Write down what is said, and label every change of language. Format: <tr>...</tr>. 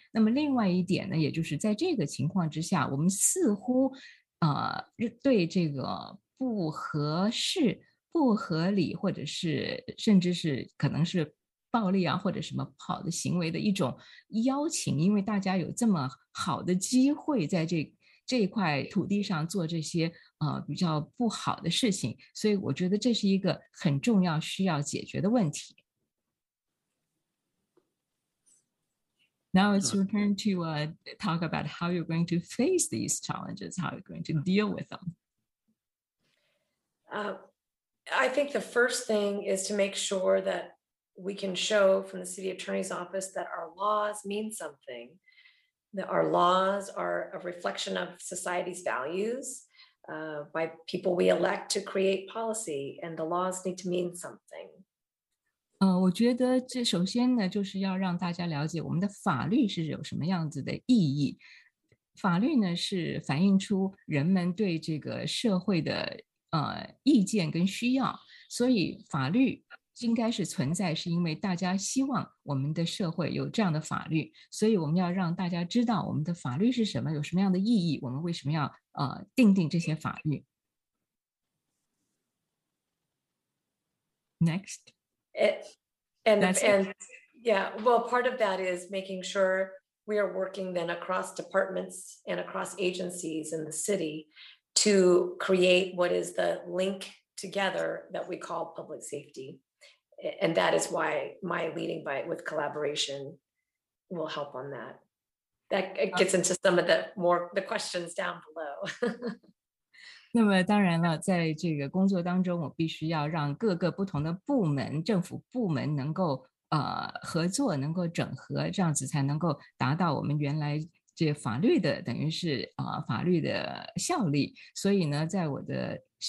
<zh>那么另外一点呢，也就是在这个情况之下，我们似乎对这个不合适、不合理，或者是甚至是可能是暴力啊或者什么不好的行为的一种邀请，因为大家有这么好的机会在这块土地上做这些比较不好的事情，所以我觉得这是一个很重要需要解决的问题。</zh> <en>Now it's your turn to talk about how you're going to face these challenges, how you're going to deal with them. I think the first thing is to make sure that we can show from the city attorney's office that our laws mean something. That our laws are a reflection of society's values by people we elect to create policy, and the laws need to mean something.</en> <zh>我觉得这首先呢，就是要让大家了解我们的法律是有什么样子的意义。法律呢，是反映出人们对这个社会的意见跟需要，所以法律应该是存在是因为大家希望我们的社会有这样的法律，所以我们要让大家知道我们的法律是什么，有什么样的意义，我们为什么要定这些法律。</zh> <en>Next. Well, part of that is making sure we are working then across departments and across agencies in the city to create what is the link together that we call public safety. And that is why my leading by with collaboration will help on that. That gets into some of the questions down below.</en> <zh>那么当然了，在这个工作当中，我必须要让各个不同的部门、政府部门能够合作，能够整合，这样子才能够达到我们原来这法律的等于是法律的效力。所以呢，在我的</zh>